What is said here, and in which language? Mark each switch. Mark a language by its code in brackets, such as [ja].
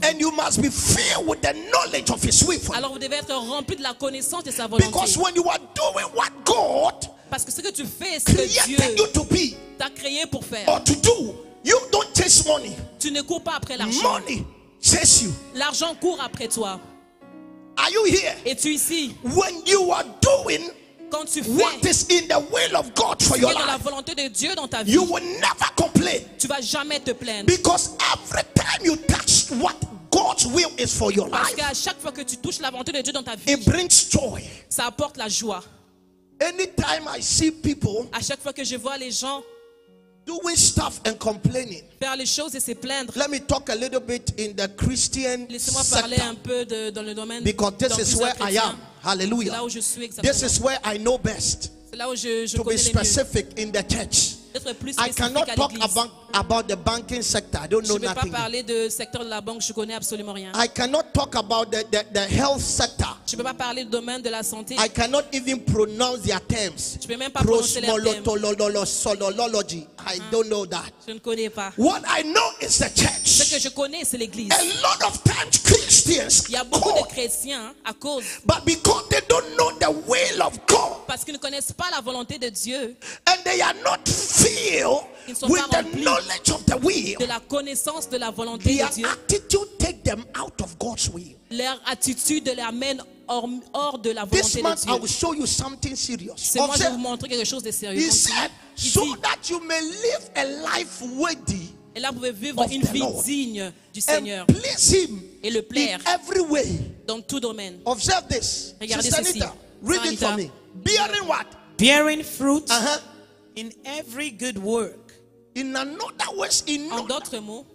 [en] and you must be filled with the knowledge of His will. For [fr] alors vous devez être rempli de la connaissance de sa volonté. [en] Because when you are doing what God [fr] parce que ce que tu fais, ce que Dieu [en] you to be [fr] t'a créé pour faire. [en] Or to do, you don't chase money. [fr] Tu ne cours pas après l'argent. [en] Money chase you. [fr] L'argent court après toi. [en] Are you here? [fr] Es-tu ici? [en] When you are doing [fr] quand tu fais [en] what is in the will of God for your life, [fr] dans la volonté de Dieu dans ta vie, [en] you will never complain. [fr] Tu vas jamais te plaindre. [en] Because every time you touch what God's will is for your [fr] parce [en] life, [fr] à chaque fois que tu touches la volonté de Dieu dans ta vie, [en] it brings joy. [fr] Ça apporte la joie. [en] Anytime I see people, [fr] à chaque fois que je vois les gens [en] doing stuff and complaining, [fr] faire les choses et se plaindre. [en] Let me talk a little bit in the Christian sector. [fr] Laissez-moi parler un peu de, dans le domaine. [en] Because this is where I am. Hallelujah. [fr] C'est là où je suis exactement. [en] This is where I know best. [fr] C'est là où je [en] to be specific in the church. [fr] Plus [en] I cannot talk about the banking sector. I don't know [fr] je [en] nothing. [fr] Je ne peux pas parler de secteur de la banque. Je connais absolument rien. [en] I cannot talk about the health sector. [fr] Je ne peux pas parler du domaine de la santé. [en] I cannot even pronounce their terms. [fr] Je ne peux même pas prononcer les termes. [en] Prosmolotology. I don't know that. [fr] Je ne connais pas. [en] What I know is the church. [fr] Ce que je connais, c'est l'église. [en] A lot of times Christians [fr] il y a beaucoup de chrétiens à cause. [en] But because they don't know the will of God. [fr] Parce qu'ils ne connaissent pas la volonté de Dieu. [en] And they are not filled with the knowledge of the will. [fr] De la connaissance de la volonté de Dieu. [en] Their attitude take them out of God's will. [fr] Leur attitude les amène hors de la volonté [en] this [fr] de [en] month, [fr] Dieu. [en] I will show you something serious. [fr] C'est moi je vous montrer quelque chose de sérieux. [en] He said, so that you may live a life worthy. [fr] Et là, vous pouvez vivre une vie digne du Seigneur. [en] Please him [fr] et le plaire. [en] In every way. [fr] Dans tout domaine. [en] Observe this. [fr] Regardez [en] Sister [fr] ceci. [en] Anita, read it for me. Bearing what? Bearing fruit in every good work. In another words, [fr] en d'autres mots,